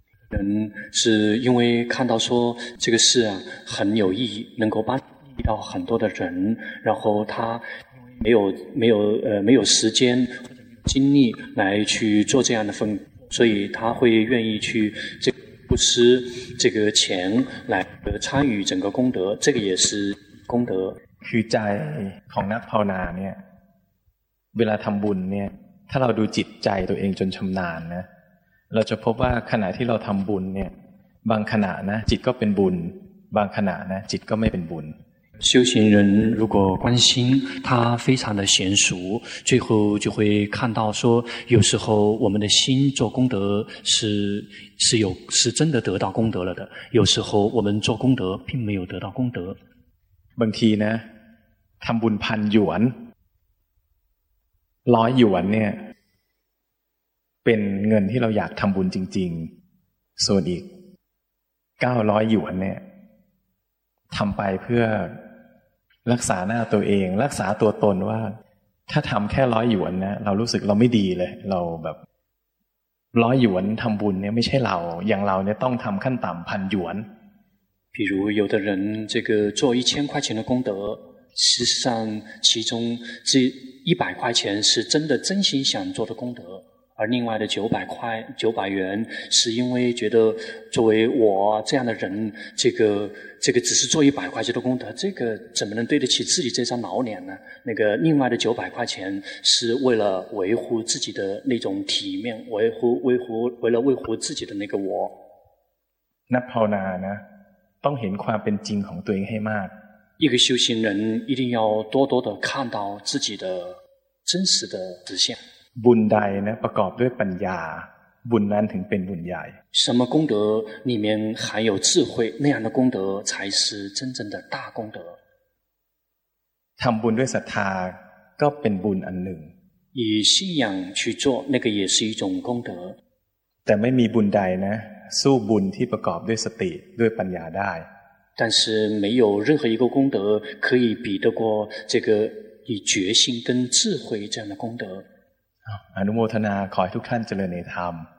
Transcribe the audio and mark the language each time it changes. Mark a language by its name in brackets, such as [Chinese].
[Chinese] 人是因为看到说这个事啊很有意义能够帮助到很多的人然后他没有时间精力来去做这样的份所以他会愿意去这个布施这个钱来参与整个功德这个也是功德 [Thai] คือใจของนักภาวนาเนี่ยเวลาทำบุญเนี่ยถ้าเราดูจิตใจตัวเองจนชำนาญนะเราจะพบว่าขณะที่เราทำบุญเนี่ยบางขณะนะจิตก็เป็นบุญบางขณะนะจิตก็ไม่เป็นบุญ [Chinese] 修行人如果关心他非常的娴熟最后就会看到说有时候我们的心做功德是真的得到功德了的有时候我们做功德并没有得到功德 [Thai] บางทีนะทำบุญพันหยวนร้อยหยวนเนี่ยเป็นเงินที่เราอยากทำบุญจริงๆส่วนอีก900หยวนเนี่ยทำไปเพื่อรักษาหน้าตัวเองรักษาตัวตนว่าถ้าทำแค่ร้อยหยวนนะเรารู้สึกเราไม่ดีเลยเราแบบร้อยหยวนทำบุญเนี่ยไม่ใช่เราอย่างเราเนี่ยต้องทำขั้นต่ำพันหยวน [Chinese] 比如有的人这个做1000块钱的功德实际上其中这100块钱是真的真心想做的功德而另外的900元是因为觉得作为我这样的人，这个只是做100块钱的功德，这个怎么能对得起自己这张老脸呢？那个另外的900块钱是为了维护自己的那种体面，维护自己的那个我。 [Thai] 那ภาวนา呢，ต้องเห็นความเป็นจริงของตัวเองให้มาก。 [Chinese] 一个修行人一定要多多的看到自己的真实的实相。 [Thai] บุญใดนะประกอบด้วยปัญญาบุญนั้นถึงเป็นบุญใหญ่ [Chinese] 什么功德里面含有智慧那样的功德才是真正的大功德 [Thai] ทำบุญด้วยศรัทธาก็เป็นบุญอันหนึ่ง [Chinese] 以信仰去做那个也是一种功德 [Thai] แต่ไม่มีบุญใดนะสู้บุญที่ประกอบด้วยสติด้วยปัญญาได้ [Chinese] 但是没有任何一个功德可以比得过这个以决心跟智慧这样的功德 [Thai] อนุโมทนาขอให้ทุกท่านเจริญในธรรม